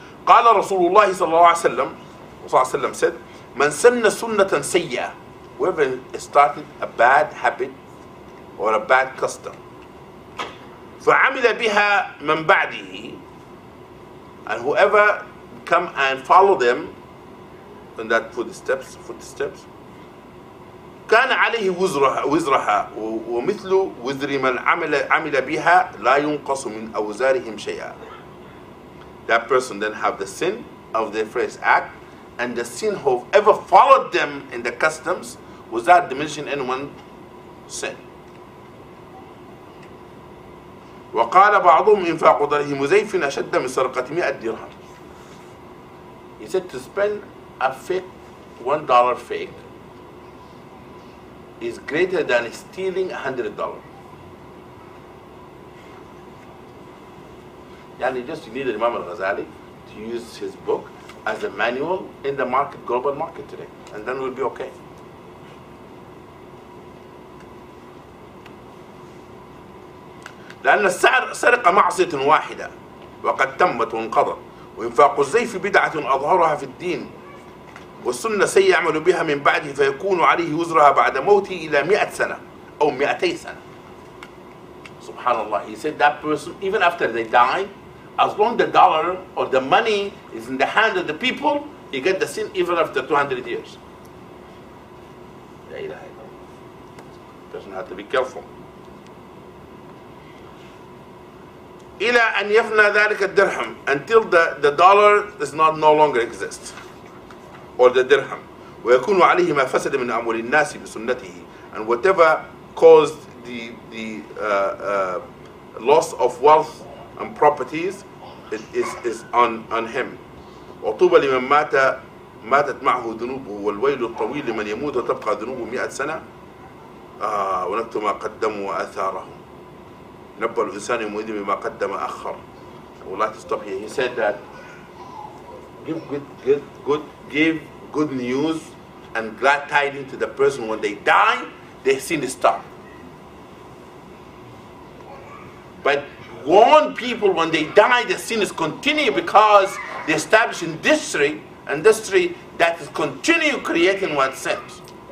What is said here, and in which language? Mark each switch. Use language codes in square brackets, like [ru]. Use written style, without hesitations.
[ar] قَالَ رَسُولُ اللَّهِ صَلَّى اللَّهُ عَلَيْهِ وَسَلَّمَ. [en] Rasulullah sallam said, [ar] مَنْ سَنَّ سُنَّةً سَيَّةً. [en] Whoever started a bad habit or a bad custom. [ar] فَعَمِلَ بِهَا مَنْ بَعْدِهِ. [en] And whoever come and follow them in that footsteps. [ar] كان عليه وزرها ومثل وزر من عمل بها لا ينقص من أوزارهم شيئا. [en] That person then have the sin of their first act, and the sin of ever followed them in the customs without diminishing anyone's sin. [ar] وقال بعضهم إنفاق درهم زيف أشد من سرقة 100 درهم. [en] said to spend a fake, $1 fake, is greater than stealing $100. Yani just you need Imam Al Ghazali to use his book as a manual in the market, global market today, and then we'll be okay. [ar] لأن السعر سرق معصية واحدة وقد تمت وانقضت وإنفاق الزيف بدعة أظهرها في الدين والسنة سيعمل بها من بعده فيكون عليه وزرها بعد موته إلى 100 سنة أو 200 سنة سبحان الله. [en] He said that person, even after they die, as long the dollar or the money is in the hand of the people, he get the sin even after 200 years. [ar] لا إله إلا الله. [en] Person have to be careful. [ar] إلى أن يفنى ذلك الدرهم [en] until the dollar is not no longer exist or the dirham [ar] ويكون عليه ما فسد من أموال الناس بسنته [en] and whatever caused the loss of wealth and properties is on him [ar] وطوبى لمن مات ماتت معه ذنوبه والويل الطويل لمن يموت وتبقى ذنوبه 100 سنة ونكتب ما قدموا وآثارهم نبل الإنسان يمودي بما قدم أخر. والله تستحي. [en] He said that give good news and glad tidings to the person when they die, they see the star. But warn people when they die, the sin is continue because they establish industry that is continue creating one sense.